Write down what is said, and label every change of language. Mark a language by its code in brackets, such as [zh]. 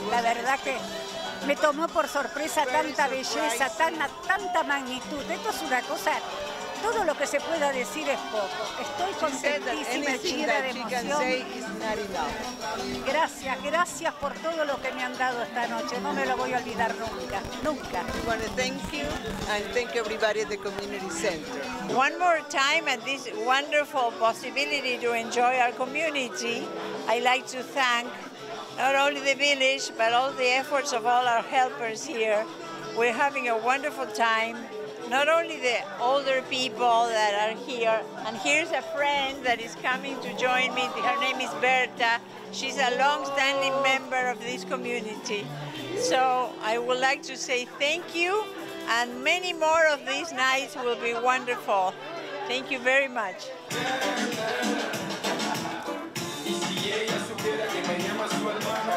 [es] La verdad que me tomó por sorpresa tanta belleza, tanta magnitud. Esto es una cosa todo lo que se pueda decir es poco. Estoy contentísima, llena de emoción. Gracias, gracias por todo lo que me han dado esta noche. No me lo voy a olvidar nunca, nunca. [en] I want to thank you and thank everybody at the community center. One more time at this wonderful possibility to enjoy our community. I like to thank not only the village, but all the efforts of all our helpers here. We're having a wonderful time. Not only the older people that are here, and here's a friend that is coming to join me. Her name is Berta. She's a long-standing member of this community. So I would like to say thank you, and many more of these nights will be wonderful. Thank you very much. [es] Y si ella supiera que me llama su alma.